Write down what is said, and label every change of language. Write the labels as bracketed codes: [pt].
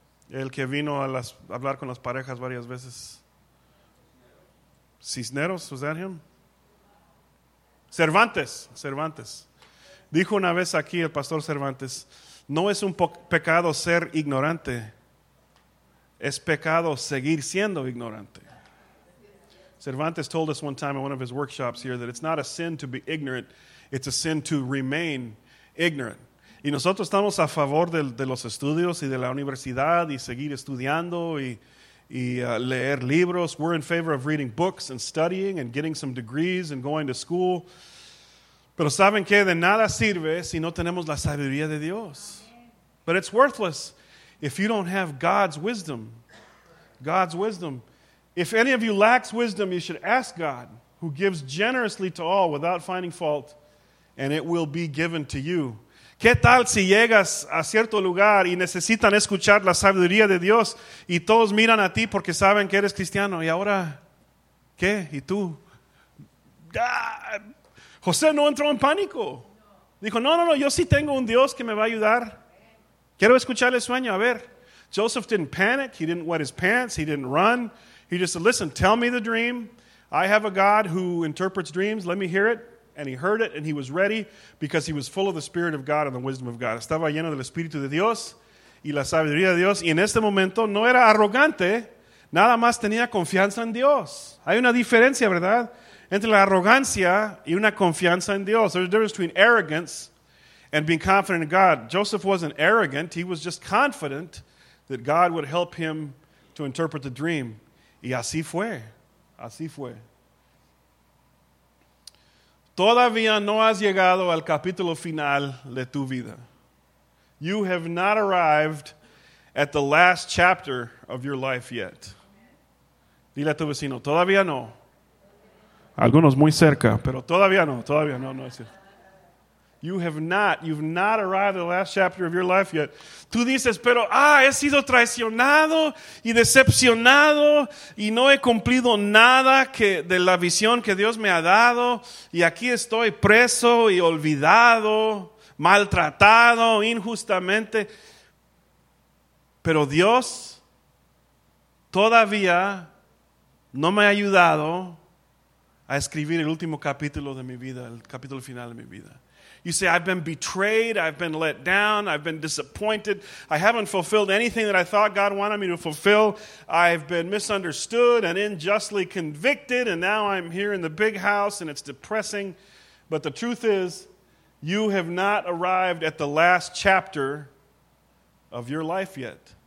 [es] El que vino a hablar con las parejas varias veces. Cisneros, [en] was that him? [es] Cervantes. Dijo una vez aquí el pastor Cervantes, no es un pecado ser ignorante, es pecado seguir siendo ignorante. [en] Cervantes told us one time in one of his workshops here that it's not a sin to be ignorant, it's a sin to remain ignorant. [es] Y nosotros estamos a favor de los estudios y de la universidad y seguir estudiando leer libros. [en] We're in favor of reading books and studying and getting some degrees and going to school. [es] Pero ¿saben qué? De nada sirve si no tenemos la sabiduría de Dios. [en] But it's worthless if you don't have God's wisdom. God's wisdom. If any of you lacks wisdom, you should ask God, who gives generously to all without finding fault, and it will be given to you. [es] ¿Qué tal si llegas a cierto lugar y necesitan escuchar la sabiduría de Dios y todos miran a ti porque saben que eres cristiano? ¿Y ahora qué? ¿Y tú? ¡Ah! José no entró en pánico. Dijo, no, yo sí tengo un Dios que me va a ayudar. Quiero escuchar el sueño, a ver. [en] Joseph didn't panic, he didn't wet his pants, he didn't run. He just said, listen, tell me the dream. I have a God who interprets dreams, let me hear it. And he heard it, and he was ready, because he was full of the Spirit of God and the wisdom of God. [es] Estaba lleno del Espíritu de Dios y la sabiduría de Dios. Y en este momento no era arrogante, nada más tenía confianza en Dios. Hay una diferencia, ¿verdad? Entre la arrogancia y una confianza en Dios. [en] There's a difference between arrogance and being confident in God. Joseph wasn't arrogant. He was just confident that God would help him to interpret the dream. [es] Y así fue. Así fue. Todavía no has llegado al capítulo final de tu vida. [en] You have not arrived at the last chapter of your life yet. [es] Dile a tu vecino, todavía no. Algunos muy cerca, pero todavía no, no es cierto. [en] You've not arrived at the last chapter of your life yet. [es] Tú dices, pero he sido traicionado y decepcionado y no he cumplido nada que de la visión que Dios me ha dado y aquí estoy preso y olvidado, maltratado injustamente. Pero Dios todavía no me ha ayudado a escribir el último capítulo de mi vida, el capítulo final de mi vida. [en] You say, I've been betrayed, I've been let down, I've been disappointed, I haven't fulfilled anything that I thought God wanted me to fulfill, I've been misunderstood and unjustly convicted, and now I'm here in the big house and it's depressing. But the truth is, you have not arrived at the last chapter of your life yet.